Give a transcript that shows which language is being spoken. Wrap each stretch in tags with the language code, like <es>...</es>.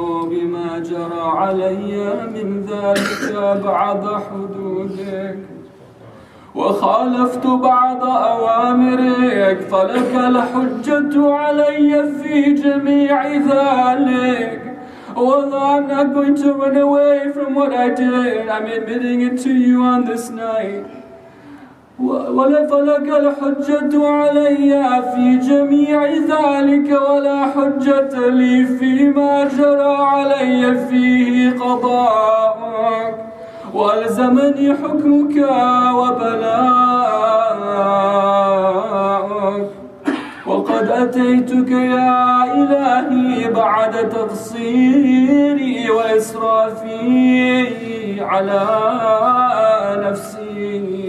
<ar>بما جرى علي من ذلك أبعد حدودك وخالفت بعض أوامرك فلك الحجة علي في جميع ذلك.</ar> <en>Although I'm not going to run away from what I did, I'm admitting it to you on this night.</en> <ar>ولك الحجة علي في جميع ذلك ولا حجة لي فيما جرى علي فيه قضاءك وألزمني حكمك وبلاءك وقد أتيتك يا إلهي بعد تقصيري وإسرافي على نفسي</ar>